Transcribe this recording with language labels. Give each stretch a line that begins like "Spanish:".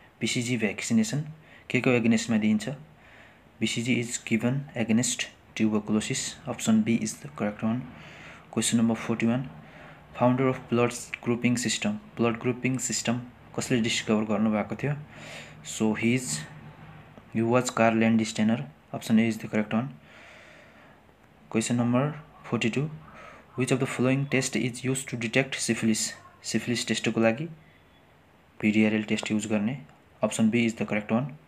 Nepali: BCG vaccination के को एगेन्स्टमा दिइन्छ.
English: BCG is given against tuberculosis. Option B is the correct one. Question number 41 founder of blood grouping system.
Nepali: Blood grouping system कसले discover गर्नुभएको थियो.
English: So he was Karl Landsteiner. Option A is the correct one. Question number 42 Which of the following test is used to detect syphilis?
Nepali: Syphilis test ko lagi PDRL test use garne.
English: Option B is the correct one.